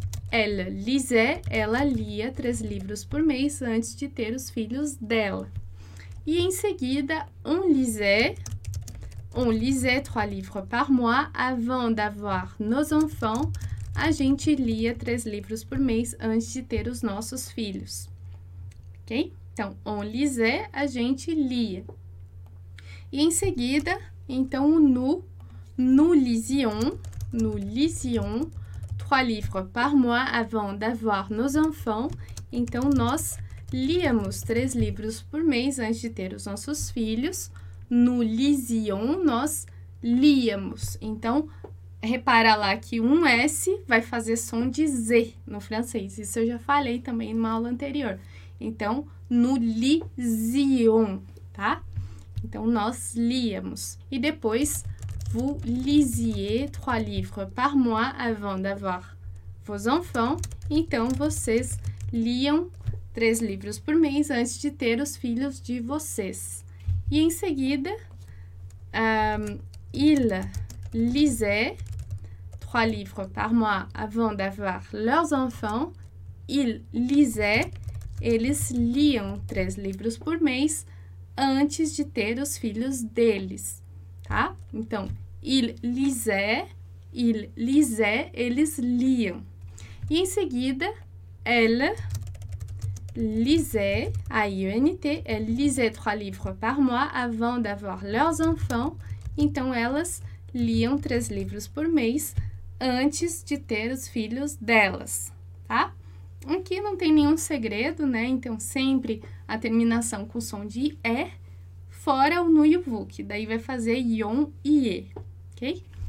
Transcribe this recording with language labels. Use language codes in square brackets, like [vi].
[fr] Elle lisait, [pt] ela lia três livros por mês antes de ter os filhos dela. E em seguida, [fr] on lisait trois livres par mois avant d'avoir nos enfants. [pt] A gente lia três livros por mês antes de ter os nossos filhos. Ok? Então, [fr] on lisait, [pt] a gente lia. E em seguida, então, o [fr] nous lisions trois livres par mois avant d'avoir nos enfants. [pt] Então, nós liamos três livros por mês antes de ter os nossos filhos. [fr] No lision, [pt] nós liamos. Então, repara lá que um S vai fazer som de Z no francês. Isso eu já falei também numa aula anterior. Então, [fr] no lision, [pt] tá? Então, nós liamos. E depois, [fr] vous lisiez trois livres par mois avant d'avoir vos enfants. [pt] Então, vocês liam três livros por mês antes de ter os filhos de vocês. E em seguida, [fr] ils lisaient trois livres par mois avant d'avoir leurs enfants. Ils lisaient, [pt] eles liam três livros por mês antes de ter os filhos deles, tá? Então, [fr] ils lisaient, [pt] eles liam. E em seguida, [fr] elle lisait, A-I-E-N-T, elle lisait trois livres par mois avant d'avoir leurs enfants. [pt] Então, elas liam três livros por mês antes de ter os filhos delas, tá? Aqui não tem nenhum segredo, né? Então, sempre a terminação com som de E, fora o nu e o vu, que daí vai fazer ion e E, ok?